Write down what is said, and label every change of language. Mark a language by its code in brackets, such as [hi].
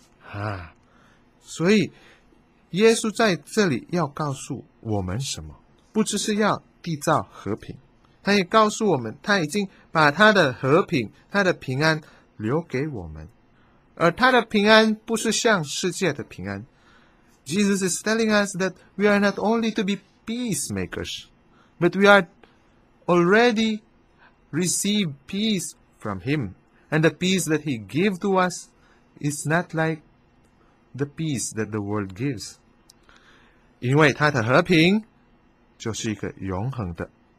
[zh] 啊，所以耶稣在这里要告诉我们什么？不只是要缔造和平，他也告诉我们，他已经把他的和平，他的平安留给我们。而他的平安不是像世界的平安。 [en] Jesus is telling us that we are not only to be peacemakers， but we are already received peace from him， and the peace that he gave to us is not like the peace that the world gives。 [zh] 因为他的和平就是一个永恒的。